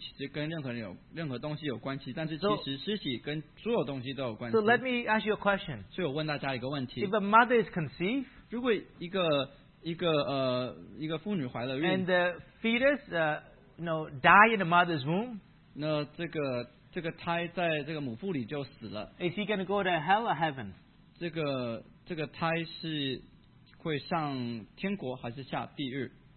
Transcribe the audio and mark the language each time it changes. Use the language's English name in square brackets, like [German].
[Chinese] 所以很多基督徒不相信说施洗其实跟任何东西有关系, 但是其实施洗跟所有东西都有关系. [English] So let me ask you a question. [Chinese] 所以我问大家一个问题. [English] If a mother is conceived, [Chinese] 如果一个妇女怀了孕, [English] and the fetus die in the mother's womb, [Chinese] 那这个 这个胎在这个母腹里就死了。 [English] Is he going to go to hell or heaven? [Chinese] 这个胎是会上天国还是下地狱?